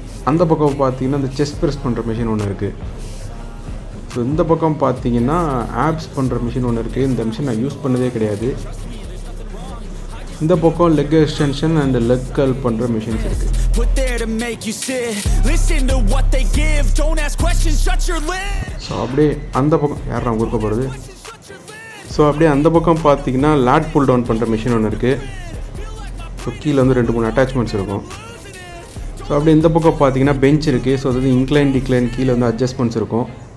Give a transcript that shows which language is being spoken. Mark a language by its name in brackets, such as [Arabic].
[Tamil] அந்த பக்கம் பார்த்தீங்கன்னா அந்த செஸ்ட் ப்ரெஸ் பண்ணுற மிஷின் ஒன்று இருக்குது. ஸோ இந்த பக்கம் பார்த்தீங்கன்னா ஆப்ஸ் பண்ணுற மிஷின் ஒன்று இருக்குது. இந்த மிஷின் நான் யூஸ் பண்ணதே கிடையாது. இந்த பக்கம் leg extension and leg curl பண்ணுற மிஷின்ஸ் இருக்கு. [English] Put there to make you sit. Listen to what they give. Don't ask questions. Shut your lid. [Tamil] So அப்படியே அந்த பக்கம் யாரும் கொடுக்க போகிறது. ஸோ அப்படியே அந்த பக்கம் பார்த்தீங்கன்னா லேட் புல் டவுன் பண்ணுற மிஷின் ஒன்று இருக்குது. ஸோ கீழே வந்து 2-3 அட்டாச்மெண்ட்ஸ் இருக்கும். ஸோ அப்படியே இந்த பக்கம் பார்த்தீங்கன்னா பெஞ்ச் இருக்குது. ஸோ அதாவது இன்க்ளைன் டிக்ளைன் கீழே வந்து அட்ஜஸ்ட்மெண்ட்ஸ் இருக்கும்.